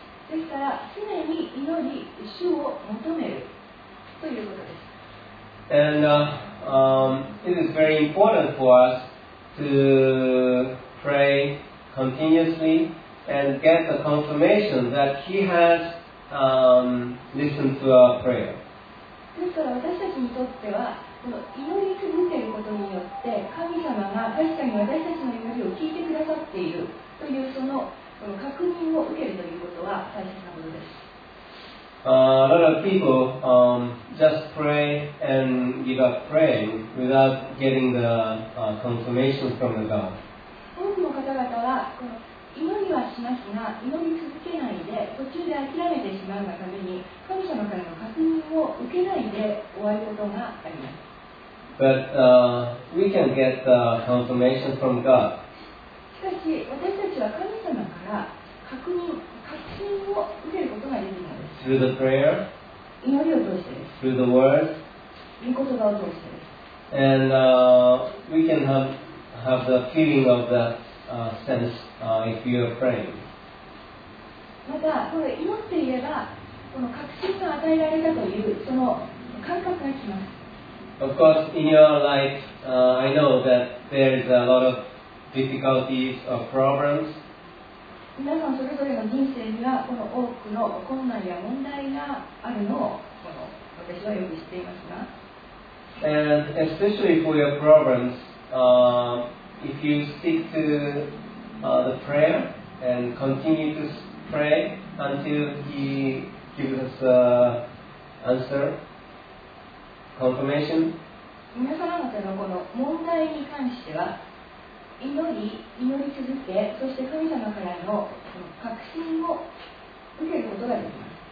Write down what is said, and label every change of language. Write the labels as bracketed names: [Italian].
[Japanese] ですから常に祈り主を求めるということです。 [English] And it is very important for us to pray continuously and get the confirmation that He has. Listen to our prayer. [Japanese] ですから私たちにとってはこの祈り続けることによって神様が確かに私たちの祈りを聞いてくださっているというその確認を受けるということは大切なことです。 [English] A lot of people just pray and give up praying without getting the confirmation from the God. [Japanese] 多くの方々はこの祈りはしますが祈り続けないで途中で諦めてしまうがために神様からの確認を受けないで終わることがあります。 [English] But, we can get the confirmation from God. [Japanese] しかし私たちは神様から確信を受けることができるのです。 [English] Through the prayer, [Japanese] 祈りを通してです。 [English] Through the word, [Japanese] 御言葉を通してです。 [English] And, we can have the feeling of thatsense if you are praying. [Japanese] またこれ祈っていればこの確信が与えられたというその感覚がきます。 [English] Of course, in your life, I know that there is a lot of difficulties or problems. [Japanese] 皆さんそれぞれの人生にはこの多くの困難や問題があるのをこの私はよく知っていますが、 [English] And especially for your problems, if you stick to the prayer and continue to pray until He gives us an answer, confirmation. [Japanese] 皆様方のこの問題に関しては、祈り続け、そして神様からの確信を受けることができます。